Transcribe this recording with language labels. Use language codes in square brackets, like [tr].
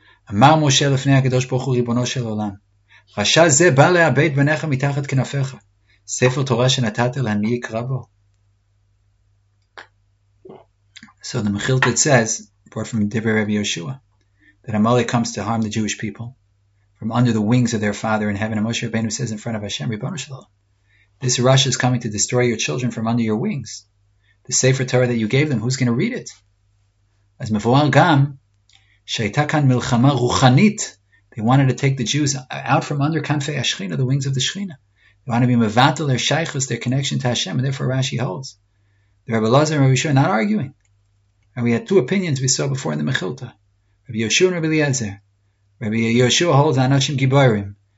[he] אמר משה לפני הקדוש ברוך הוא ריבונו של עולם, רשע זה בא לאבד בניך מתחת כנפיך, ספר תורה שנתת לה, מי יקרא בו? [en] So the Mechilta says, brought from Dibur Rabbi Yeshua, that Amalek comes to harm the Jewish people from under the wings of their father in heaven. And Moshe Rabbeinu says in front of Hashem, [he] ריבונו של עולם, [en] this Rasha is coming to destroy your children from under your wings. The Sefer Torah that you gave them, who's going to read it? [he] אז מבואר גם, שהייתה כאן מלחמה רוחנית. [en] They wanted to take the Jews out from under Kanfei Ashchina, the wings of the Shechina. They wanted to be mevatel their shaychus, their connection to Hashem, and therefore Rashi holds. The Rabbi Lazar and Rabbi Yeshua are not arguing. And we had two opinions we saw before in the Mechilta. Rabbi Yoshua and Rabbi Eliezer. Rabbi Yoshua holds Anashim Giborim.